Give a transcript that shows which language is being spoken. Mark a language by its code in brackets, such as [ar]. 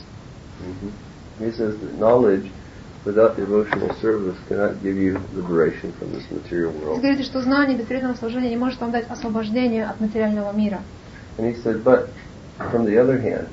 [en] Mm-hmm. He says that knowledge without devotional service cannot give you liberation from this material world. [ru] Говорит, что знание без преданного служения не может вам дать освобождение от материального мира. [en] And he said, but from the other hand,